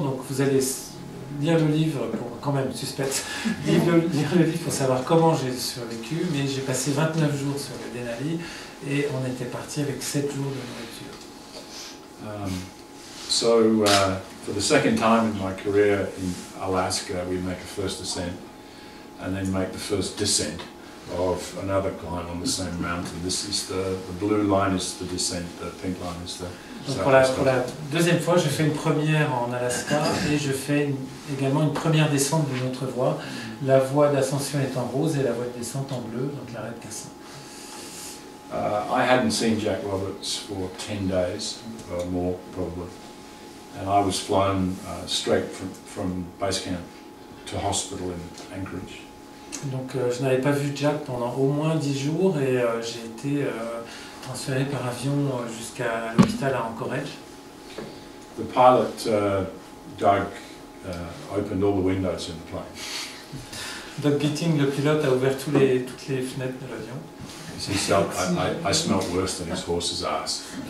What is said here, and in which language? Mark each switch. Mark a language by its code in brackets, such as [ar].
[fr] Donc vous allez lire le livre pour quand même suspect. Lire le livre pour savoir comment j'ai survécu. Mais j'ai passé 29 jours sur le Denali et on était parti avec 7 jours de nourriture. [en] For the second time in my career in Alaska, we make a first ascent and then make the first descent of another climb on the same mountain. This is the blue line is the descent, the pink line is the [fr] Pour la deuxième fois, je fais une première en Alaska et je fais également une première descente d'une autre voie. La voie d'ascension est en rose et la voie de descente en bleu, donc l'arête Cassin. [en] I hadn't seen Jack Roberts for 10 days or more probably. And I was flown straight from base camp to hospital in Anchorage. [fr] Donc je n'avais pas vu Jack pendant au moins 10 jours et j'ai été transféré par avion jusqu'à l'hôpital à Anchorage. [en] The pilot Doug opened all the windows in the plane. [fr] Doug Beating, le pilote, a ouvert toutes les fenêtres de l'avion. [en] He said, I smelled worse than his horse's ass.